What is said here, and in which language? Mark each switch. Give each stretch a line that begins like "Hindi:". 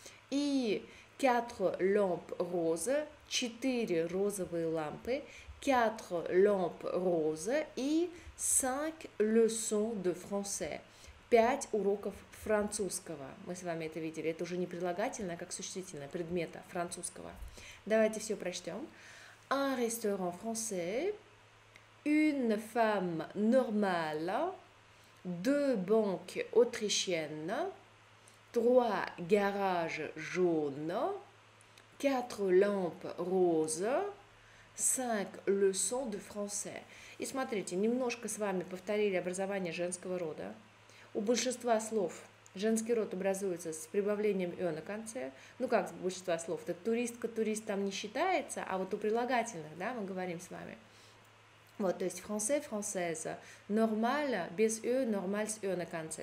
Russian: И
French: «quatre lampes roses»,
Russian: четыре розовые лампы.
French: «Quatre lampes roses» и «cinq leçons de français».
Russian: Пять уроков французского. Мы с вами это видели. Это уже не прилагательное, как существительное предмета французского. Давайте все прочтем.
French: Un restaurant français, une femme normale, deux banques autrichiennes, trois garages jaunes, quatre lampes roses, cinq leçons de français.
Russian: И смотрите, немножко с вами повторили образование женского рода. У большинства слов женский род образуется с прибавлением «ё» на конце. Ну как с большинства слов? Это «туристка», «турист» там не считается, а вот у прилагательных, да, мы говорим с вами. Вот, то есть français, française. Normal, без e, normal с e на конце.